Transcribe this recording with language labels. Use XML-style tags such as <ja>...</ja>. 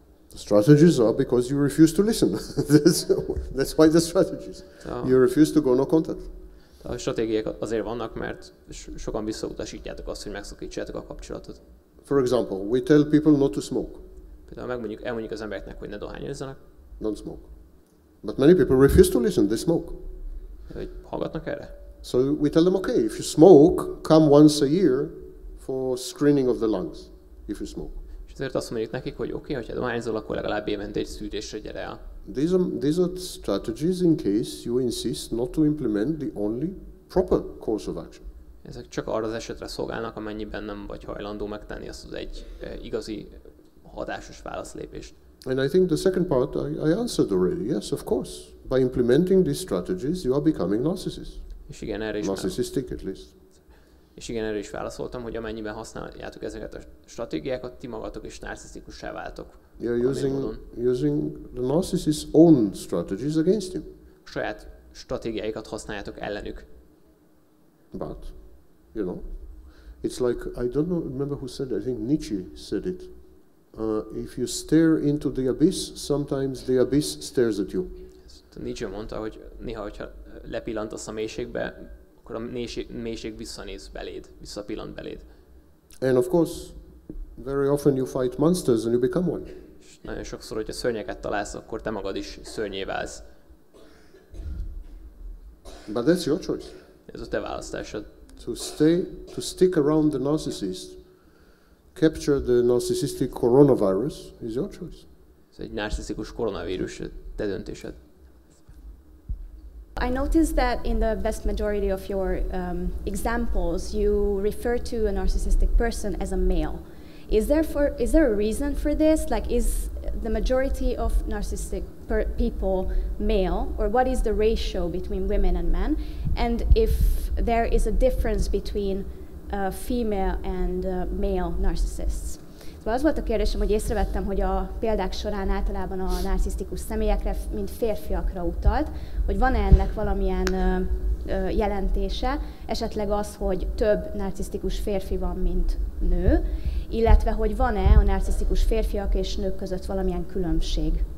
<en>The strategies are because you refuse to listen. That's why the strategies. You refuse to go no contact.</en> <hu>A stratégiák azért vannak, mert sokan visszautasítjátok azt, hogy megszakítsátok a kapcsolatot.</hu> <en>For example, we tell people not to smoke.</en> <hu>Például elmondjuk az embereknek, hogy ne dohányozzanak.</hu> <en>Don't smoke. But many people refuse to listen, they smoke.</en> <hu>Hogy hallgatnak erre?</hu> <en>So we tell them, okay, if you smoke, come once a year for screening of the lungs, if you smoke.</en> <hu>És azért azt mondjuk nekik, hogy oké, hogyha dohányzol, akkor legalább évente egy szűrésre gyere el.</hu> <en>These are strategies in case you insist not to implement the only proper course of action.</en> <hu>Ezek csak arra az esetre szolgálnak, amennyiben nem vagy hajlandó megtenni azt az egy igazi hatásos válaszlépést.</hu> <en>And I think the second part I answered already. Yes, of course. By implementing these strategies, you are becoming narcissist.</en> <hu>És igen, erre is</hu> <en>narcissistic at least.</en> <hu>És igen, erre is válaszoltam, hogy amennyiben használjátok ezeket a stratégiákat, ti magatok is narcisztikussá váltok.</hu> <en>You're using the narcissist's own strategies against him.</en> <hu>Saját stratégiáikat használjátok ellenük.</hu> <en>But, you know, it's like, I don't know, remember who said it, I think Nietzsche said it. If you stare into the abyss, sometimes the abyss stares at you.</en> <hu>Nietzsche mondta, hogy néha, hogyha lepillantasz a mélységbe, akkor a mélység visszanéz beléd, visszapillant beléd.</hu> <en>And of course, very often you fight monsters and you become one.</en> <hu>És nagyon sokszor, hogyha szörnyeket találsz, akkor te magad is szörnyé válsz.</hu> <en>But that's your choice.</en> <hu>Ez a te választásod.</hu> <en>To stick around the narcissist, capture the narcissistic coronavirus is your choice.</en> <hu>Ez egy narcisztikus koronavírus, te döntésed.</hu> <en>I noticed that in the vast majority of your examples, you refer to a narcissistic person as a male. Is there a reason for this? Like, is the majority of narcissistic people male, or what is the ratio between women and men? And if there is a difference between female and male narcissists?</en> <hu>Szóval az volt a kérdésem, hogy észrevettem, hogy a példák során általában a narcisztikus személyekre, mint férfiakra utalt, hogy van-e ennek valamilyen jelentése, esetleg az, hogy több narcisztikus férfi van, mint nő, illetve hogy van-e a narcisztikus férfiak és nők között valamilyen különbség.</hu>